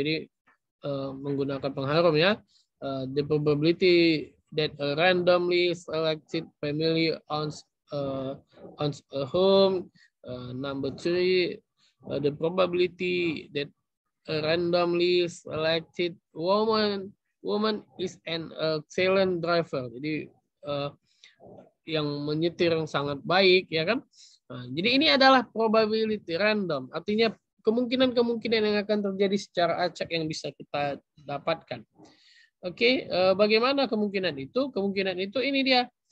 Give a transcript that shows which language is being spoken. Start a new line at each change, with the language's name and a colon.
Indonesian: Jadi menggunakan pengharum ya.
English: The probability that a randomly selected family owns a home. Number three, the probability that a randomly selected woman is an excellent driver.
Indonesian: Jadi yang menyetir yang sangat baik, ya kan? Nah, jadi ini adalah probability random, artinya kemungkinan-kemungkinan yang akan terjadi secara acak yang bisa kita dapatkan. Oke, bagaimana kemungkinan itu? Kemungkinan itu ini dia.